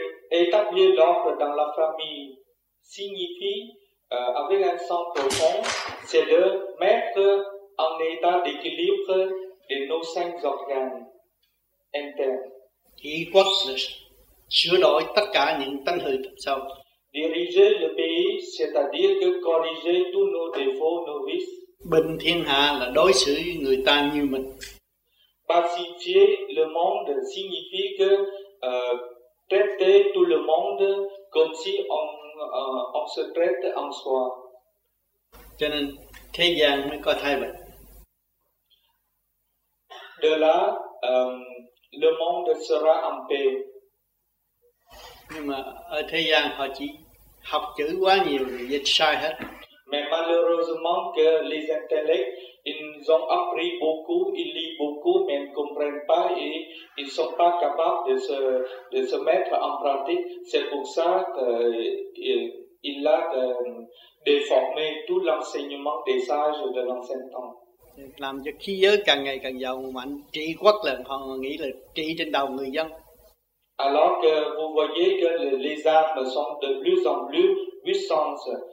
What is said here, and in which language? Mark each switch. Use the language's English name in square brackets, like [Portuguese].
[French] Établir l'ordre dans la famille signifie, avec un sens profond, c'est de mettre en état d'équilibre de nos cinq organes internes. [Vietnamese] Chỉ quốc là sửa đổi tất cả những tâm hư tật xấu. [French] Diriger le pays, c'est-à-dire que corriger tous nos défauts, nos vices. [Vietnamese] Bình thiên hạ là đối xử với người ta như mình. [French] Pacifier le monde signifie que traiter tout le monde comme si on se traite en soi. [Vietnamese] Cho nên thế gian mới có thay bệnh. [French] De là le monde sera en paix. [Vietnamese] Nhưng mà ở thế gian họ chỉ học chữ quá nhiều thì dịch sai hết. [French] Mais malheureusement que les intellects, ils ont appris beaucoup, ils lisent beaucoup, mais ils ne comprennent pas et ils ne sont pas capables de se mettre en pratique. C'est pour ça qu'il a déformé tout l'enseignement des sages de l'ancien temps. [Vietnamese] Làm cho khí giới càng ngày càng giàu mạnh, trị quốc là họ nghĩ là trị trên đầu người dân. [French] Alors que vous voyez que les armes sont de plus en plus puissantes.